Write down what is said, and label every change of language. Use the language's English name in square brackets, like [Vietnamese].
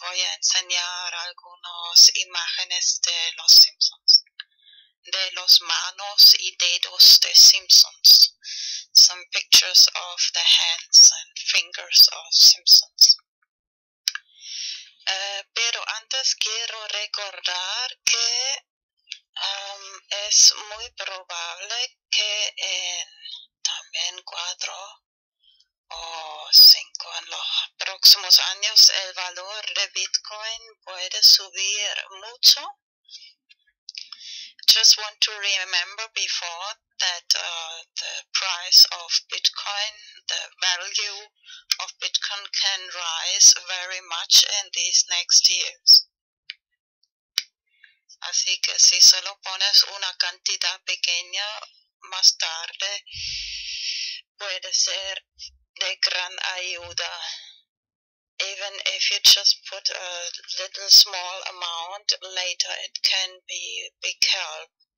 [Spanish] Voy a enseñar algunas imágenes de los Simpsons. De los manos y dedos de Simpsons. [English] Some pictures of the hands and fingers of Simpsons. [Spanish] Pero antes quiero recordar que es muy probable que en también 4 o 5 en los próximos años el valor de Bitcoin puede subir mucho. [English] Just want to remember before that the price of Bitcoin, the value of Bitcoin can rise very much in these next years. [Spanish] Así que si solo pones una cantidad pequeña, más tarde puede ser de gran ayuda. [English] Even if you just put a little small amount, later it can be big help.